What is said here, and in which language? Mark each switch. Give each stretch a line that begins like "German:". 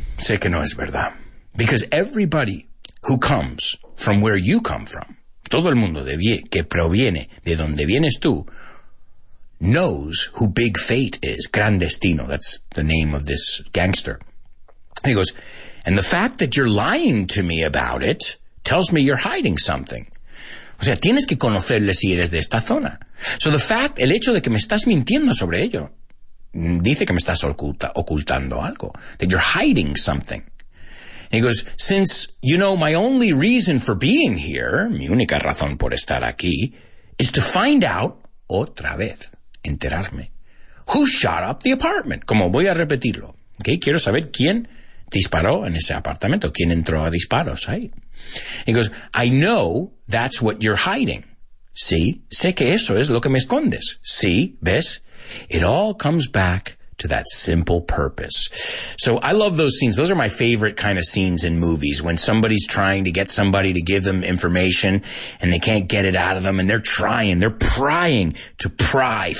Spanish: Sé que no es verdad.
English: Because everybody who comes from where you come from,
Spanish: todo el mundo que proviene de donde vienes tú,
English: knows who big fate is. Gran Destino, that's the name of this gangster. And he goes, and the fact that you're lying to me about it tells me you're hiding something.
Spanish: O sea, tienes que conocerle si eres de esta zona.
English: So the fact,
Spanish: el hecho de que me estás mintiendo sobre ello, dice que me estás ocultando algo.
English: That you're hiding something. And he goes, since, you know, my only reason for being here,
Spanish: mi única razón por estar aquí,
English: is to find out,
Spanish: otra vez, enterarme,
English: who shot up the apartment.
Spanish: Como voy a repetirlo. Okay, quiero saber quién disparó en ese apartamento, quién entró a disparos ahí.
English: And he goes, I know that's what you're hiding.
Spanish: Sí, sé que eso es lo que me escondes. Sí, ves,
English: it all comes back to that simple purpose. So I love those scenes. Those are my favorite kind of scenes in movies when somebody's trying to get somebody to give them information and they can't get it out of them and they're trying, they're prying to pry.